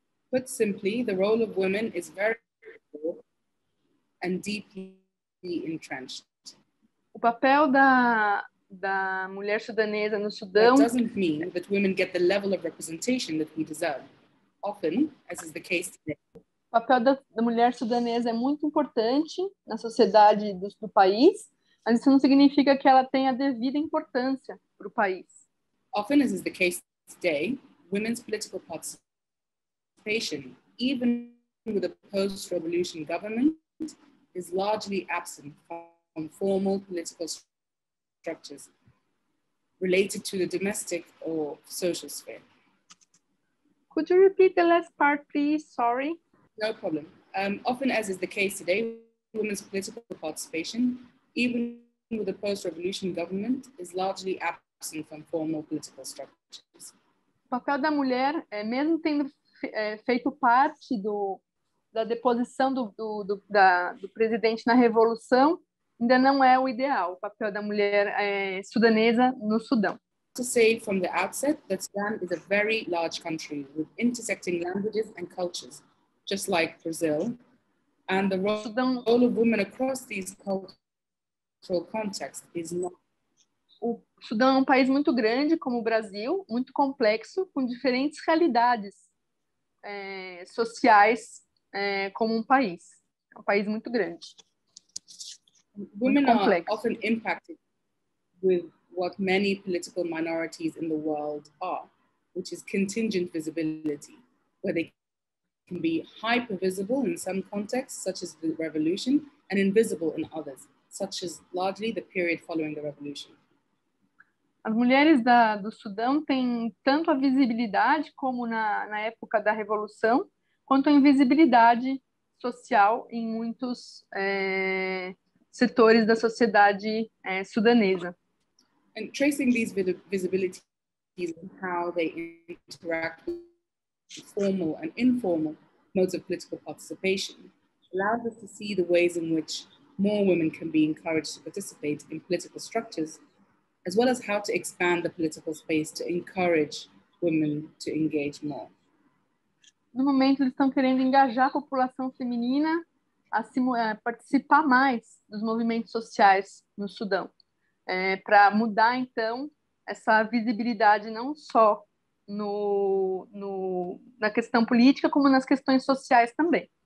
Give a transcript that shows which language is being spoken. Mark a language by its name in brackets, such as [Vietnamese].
[English] Put simply, the role of women is very poor and deeply entrenched. [Portuguese] O papel da da mulher sudanesa no Sudão. [English] That doesn't mean that women get the level of representation that we deserve. Often, as is the case today. [Portuguese] O papel da mulher sudanesa é muito importante na sociedade do país, mas isso não significa que ela tenha a devida importância para o país. [English] Often, as is the case today, women's political participation, even with a post-revolution government, is largely absent from formal political structures related to the domestic or social sphere. Could you repeat the last part, please? Sorry. No problem. Often, as is the case today, women's political participation, even with a post-revolution government, is largely absent from formal political structures. [Portuguese] O papel da mulher, mesmo tendo feito parte da deposição do presidente na Revolução, ainda não é o ideal, o papel da mulher sudanesa no Sudão. [English] To say from the outset that Sudan is a very large country with intersecting languages and cultures, just like Brazil, and the role of women across these cultural contexts is not. [Portuguese] O Sudão é um país muito grande, como o Brasil, muito complexo, com diferentes realidades sociais como um país. É um país muito grande. [English] Women are often impacted with what many political minorities in the world are, which is contingent visibility, where they can be hyper-visible in some contexts, such as the revolution, and invisible in others, such as largely the period following the revolution. [Portuguese] As mulheres do Sudão têm tanto a visibilidade como na época da Revolução, quanto a invisibilidade social em muitos setores da sociedade sudanesa. [English] And tracing these visibilities and how they interact with formal and informal modes of political participation allows us to see the ways in which more women can be encouraged to participate in political structures, as well as how to expand the political space to encourage women to engage more. [Portuguese] No momento, eles estão querendo engajar a população feminina a participar mais dos movimentos sociais no Sudão, para mudar, então, essa visibilidade não só na questão política, como nas questões sociais também.